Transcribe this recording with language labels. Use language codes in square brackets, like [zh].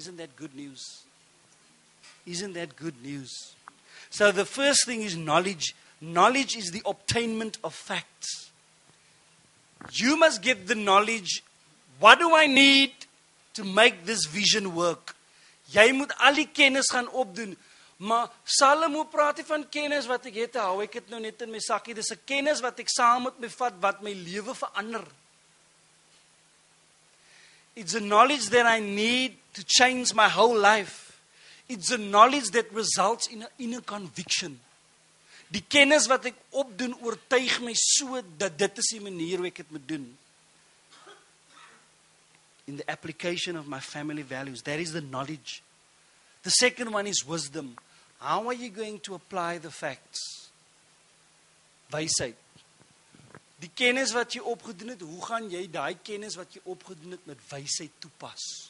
[en] Isn't that good news? Isn't that good news? So the first thing is knowledge. Knowledge is the obtainment of facts. You must get the knowledge. What do I need to make this vision work? [af] Jy moet al die kennis gaan opdoen. Maar Salomo praat hier van kennis wat ek het, hou ek het nou net in my sakkie. Dis 'n kennis wat ek saam met my vat, wat my lewe verander. [en] It's a knowledge that I need to change my whole life. It's a knowledge that results in a conviction. [af] Die kennis wat ek opdoen, oortuig my so dat dit is die manier hoe ek het moet doen. [en] In the application of my family values, that is the knowledge. The second one is wisdom. How are you going to apply the facts? [af] Wysheid. Die kennis wat jy opgedoen het, hoe gaan jy daai kennis wat jy opgedoen het met wysheid toepas?